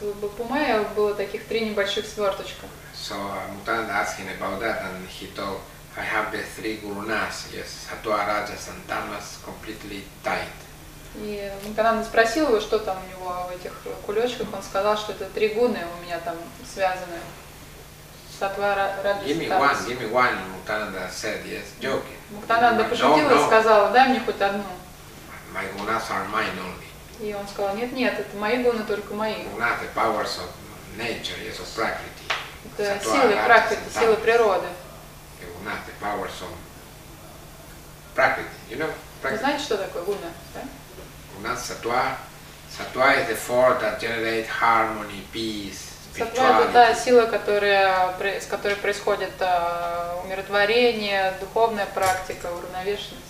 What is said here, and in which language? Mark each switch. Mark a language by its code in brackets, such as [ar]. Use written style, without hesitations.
[ru] В Бапумае было таких три небольших сверточка. [en] So Mutanand asking about that, and he told, I have the three gurunas, yes, sattva, rajas, and tamas, completely tied. [ru] И Мутананд спросил его, что там у него в этих кулечках, он сказал, что это три гуны у меня там связаны. [en] Give me one, Mutananda said, yes, joking. [ru] Мутананда пошутил и сказал, дай мне хоть одну. [en] My gunas are mine only. [ru] И он сказал, нет, это мои гуны, только мои. [en] Gunas, the powers of nature, yes, of Prakriti. [ru] Это силы Пракрити, силы природы. [en] Gunas, the powers of Prakriti, you know? [ru] Вы знаете, что такое гуна, да? [en] Gunas, sattva. Sattva is the force that generate harmony, peace. [ru] Сатва – это та сила, с которой происходит умиротворение, духовная практика, уравновешенность.